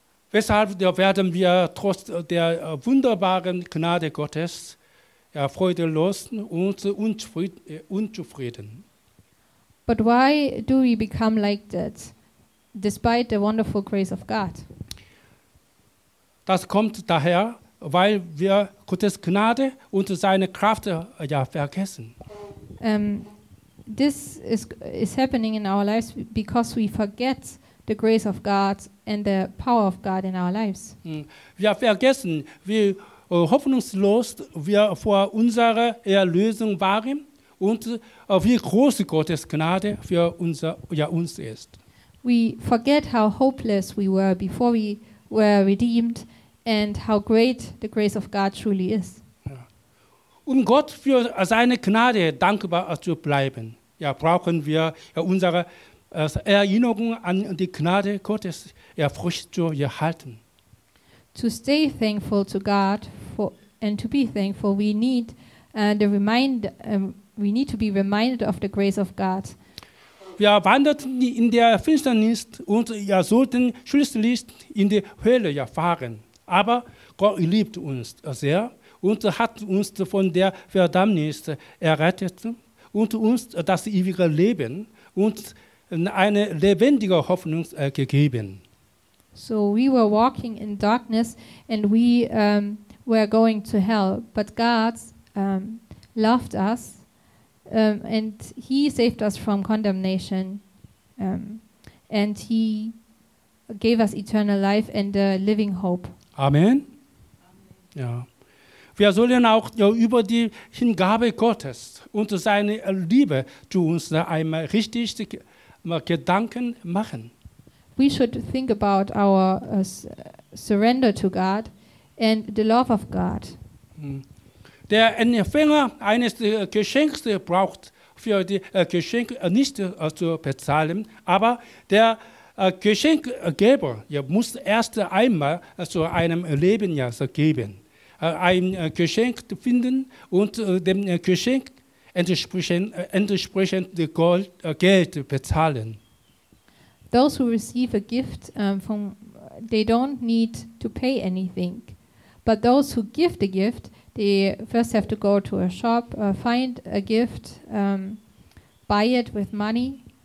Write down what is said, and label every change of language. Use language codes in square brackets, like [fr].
[de] Weshalb werden wir trotz der wunderbaren Gnade Gottes freudelos und unzufrieden? [en] But why do we become like that, despite the wonderful grace of God? [de] Das kommt daher, weil wir Gottes Gnade und seine Kraft vergessen. [en] This is happening in our lives because we forget the grace of God and the power of God in our lives. [de] Wir vergessen, wie hoffnungslos wir vor unserer Erlösung waren und wie groß Gottes Gnade für uns ist. [en] We forget how hopeless we were before we were redeemed and how great the grace of God truly is. [de] Um Gott für seine Gnade dankbar zu bleiben, brauchen wir unsere Erinnerung an die Gnade Gottes frisch zu erhalten. [en] To stay thankful to God we need to be reminded of the grace of God. [de] Wir wanderten in der Finsternis und sollten schließlich in die Hölle fahren. Aber Gott liebt uns sehr und hat uns von der Verdammnis errettet und uns das ewige Leben und eine lebendige Hoffnung gegeben. [en] So we were walking in darkness and we were going to hell, but God loved us and he saved us from condemnation and he gave us eternal life and a living hope. [de] Amen. Ja. Wir sollen auch über die Hingabe Gottes und seine Liebe zu uns einmal richtig Gedanken machen. [en] We should think about our surrender to God and the love of God. [de] Der Empfänger eines Geschenks braucht für die Geschenk nicht zu bezahlen, aber der Geschenkgeber muss erst einmal zu einem Leben geben, ein Geschenk finden und dem Geschenk entsprechend Geld bezahlen. [en] Those who receive a gift they don't need to pay anything, but those who give the gift, they first have to go to a shop, find a gift, buy it with money.